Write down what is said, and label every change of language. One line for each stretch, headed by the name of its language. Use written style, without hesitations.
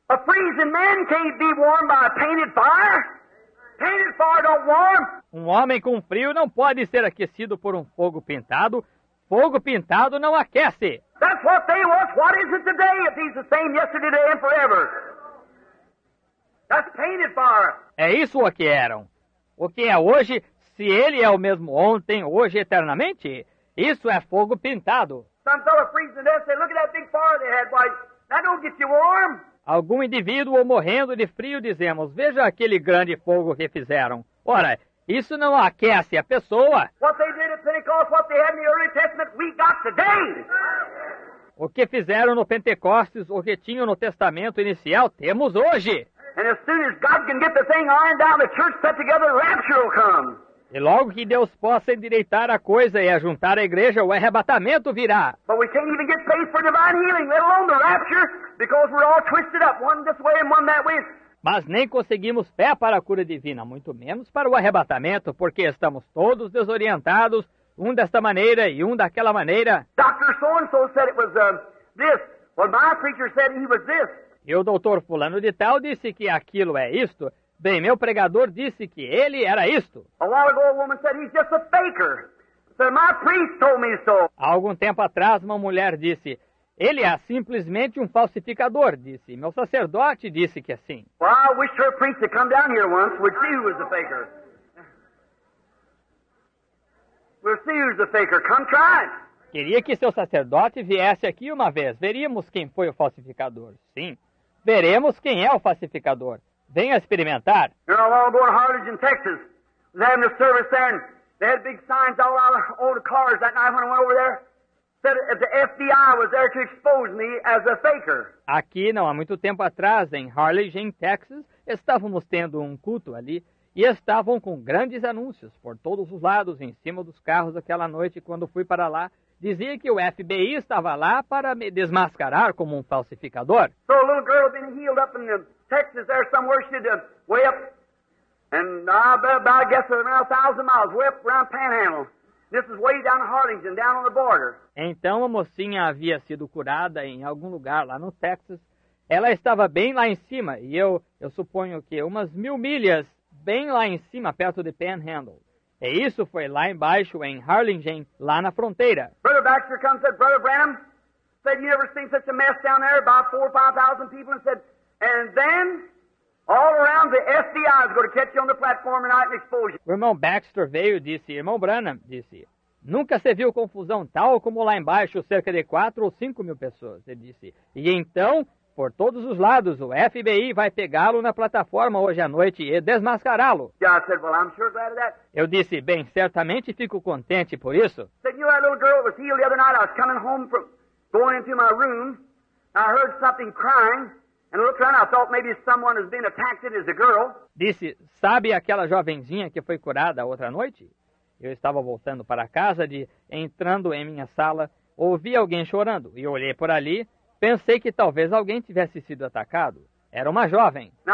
English: A freezing man can't be warmed by a painted fire. Painted fire don't warm.
Portuguese: Um homem com frio não pode ser aquecido por um fogo pintado. Fogo pintado não aquece.
English: That's what they was. What is it today if he's the same yesterday, today and forever? That's painted fire.
Portuguese: É isso o que eram. O que é hoje, se ele é o mesmo ontem, hoje e eternamente, isso é fogo pintado.
English: Some fellow freezing to death, say, look at that big fire they had, boy. That don't get you warm.
Portuguese: Algum indivíduo morrendo de frio, dizemos, veja aquele grande fogo que fizeram. Ora, isso não aquece a pessoa.
English: What they did at Pentecost, what they had in the early testament, we got today.
Portuguese: O que fizeram no Pentecostes, o que tinham no testamento inicial, temos hoje.
English: And as soon as God can get the thing ironed down, the church set together, the rapture will come.
Portuguese: E logo que Deus possa endireitar a coisa e ajuntar a igreja, o arrebatamento virá.
English: But we can't even get paid for divine healing, let alone the rapture, because we're all twisted up, one this way and one that way.
Portuguese: Mas nem conseguimos fé para a cura divina, muito menos para o arrebatamento, porque estamos todos desorientados, um desta maneira e um daquela maneira.
English: Dr. So-and-so said it was this. Well, my preacher said he was this.
Portuguese: E o doutor fulano de tal disse que aquilo é isto. Bem, meu pregador disse que ele era isto.
English: A while ago, a woman said he's just a faker. So my priest told me so.
Portuguese: Há algum tempo atrás, uma mulher disse, ele é simplesmente um falsificador, disse. Meu sacerdote disse que assim.
English: Well, I wish her priest had come down here once. We'll see who is the faker. We'll see who's the faker. Come try it.
Portuguese: Queria que seu sacerdote viesse aqui uma vez. Veríamos quem foi o falsificador. Sim. Veremos quem é o falsificador. Venha experimentar.
English: You know, I'm going to Harlingen, Texas. They had a service there, and they had big signs all out of the cars that night when I went over there. Said that the FBI was there to expose me as a faker.
Portuguese: Aqui, não há muito tempo atrás, em Harlingen, Texas, estávamos tendo um culto ali, e estavam com grandes anúncios por todos os lados, em cima dos carros aquela noite, quando fui para lá. Dizia que o FBI estava lá para me desmascarar como um falsificador.
English: So a little girl had been healed up in the Texas there somewhere. She'd way up, and I guess around 1,000 miles, way up around Panhandle. This is way down in Harlingen, down on the border.
Portuguese: Então a mocinha havia sido curada em algum lugar lá no Texas. Ela estava bem lá em cima, e eu suponho que umas 1,000 milhas bem lá em cima, perto de Panhandle. E isso foi lá embaixo, em Harlingen, lá na fronteira.
English: Brother Baxter comes and said, Brother Branham, said, you never seen such a mess down there, about 4,000 or 5,000 people, and said, and then, all around, the FBI is going to catch you on the platform tonight and expose you.
Portuguese: O irmão Baxter veio e disse, irmão Branham, disse, nunca se viu confusão tal como lá embaixo, cerca de 4,000 ou 5,000 pessoas, ele disse. E então, por todos os lados, o FBI vai pegá-lo na plataforma hoje à noite e desmascará-lo.
English: Yeah, I said, well, I'm sure glad of that.
Portuguese: Eu disse, bem, certamente fico contente por isso.
English: Said, you know, that little girl was healed the other night. I was coming home from going into my room. I heard something crying. And I looked around, I thought maybe someone has been attacked. It is a girl.
Portuguese: Disse, sabe aquela jovenzinha que foi curada outra noite? Eu estava voltando para casa, entrando em minha sala, ouvi alguém chorando e olhei por ali. Pensei que talvez alguém tivesse sido atacado. Era uma jovem.